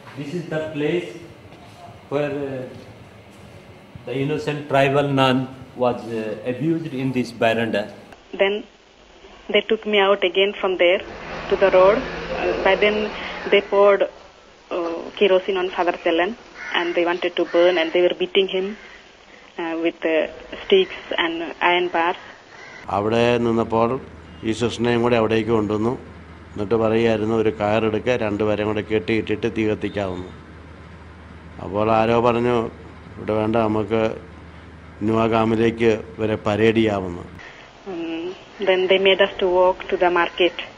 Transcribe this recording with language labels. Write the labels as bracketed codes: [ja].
[en] This is the place where the innocent tribal nun was abused in this veranda. Then they took me out again from there to the road. By then, they poured kerosene on Father Tellan, and they wanted to burn, and they were beating him with sticks and iron bars. [ml] അവിടെ നിന്നപ്പോൾ ഈ സിസ്റ്റനെയും കൂടെ അവിടേക്ക് കൊണ്ടുവന്നു. എന്നിട്ട് പറയുകയായിരുന്നു ഒരു കയറെടുക്കുക, രണ്ടുപേരെയും കൂടെ കെട്ടിയിട്ടിട്ട് തീ കത്തിക്കാവുന്നു. അപ്പോൾ ആരോ പറഞ്ഞു ഇവിടെ വേണ്ട, നമുക്ക് ന്യൂഗാമിലേക്ക് വരെ parade ചെയ്യാവുന്നു. [en] Then they made us to walk to the market.